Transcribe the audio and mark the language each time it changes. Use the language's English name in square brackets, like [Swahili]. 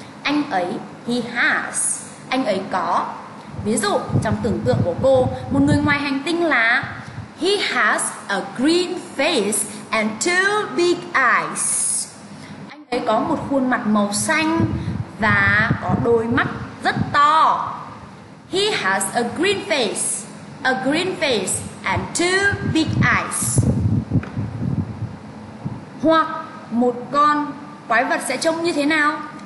[Vietnamese] Anh ấy, [English] he has. [Vietnamese] Anh ấy có. Ví dụ trong tưởng tượng của cô, một người ngoài hành tinh là [English] he has a green face and two big eyes. [Vietnamese] Anh ấy có một khuôn mặt màu xanh và có đôi mắt rất to. [English] He has a green face and two big eyes. [Vietnamese] Hoặc một con quái vật sẽ trông như thế nào?